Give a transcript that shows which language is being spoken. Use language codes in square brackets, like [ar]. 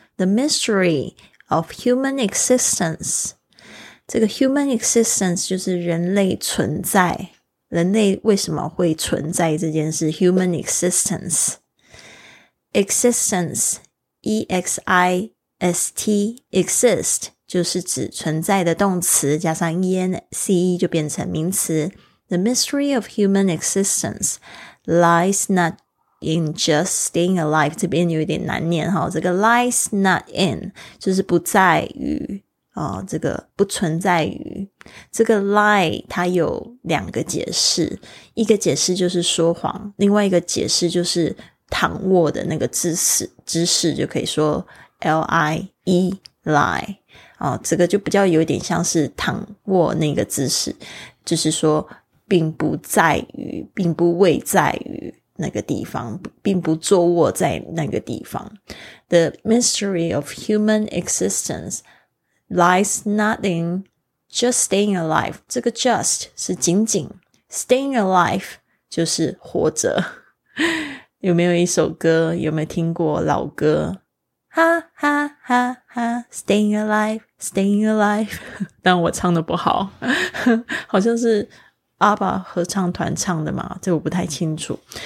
[en] The mystery of human existence， [zh] 这个 [en] human existence [zh] 就是人类存在，人类为什么会存在这件事， human existence， existence， E-X-I-S-T， exist 就是指存在的动词，加上 E-N-C-E 就变成名词。 [en] The mystery of human existence lies not in just staying alive， [zh] 这边有点难念，这个 [en] lies not in [zh] 就是不在于这个不存在于。这个 lie 它有两个解释，一个解释就是说谎，另外一个解释就是躺卧的那个姿势，就可以说 lie lie 这个就比较有点像是躺卧那个姿势，就是说并不在于，并不位在于那个地方，并不坐卧在那个地方。 [en] The mystery of human existenceLies not in just staying alive. [zh] 这个 just 是仅仅， [en] staying alive [zh] 就是活着。有没有一首歌，有没有听过老歌，哈哈哈哈， [en] staying alive, staying alive. [zh] 但我唱的不好。好像是阿爸合唱团唱的嘛，这我不太清楚。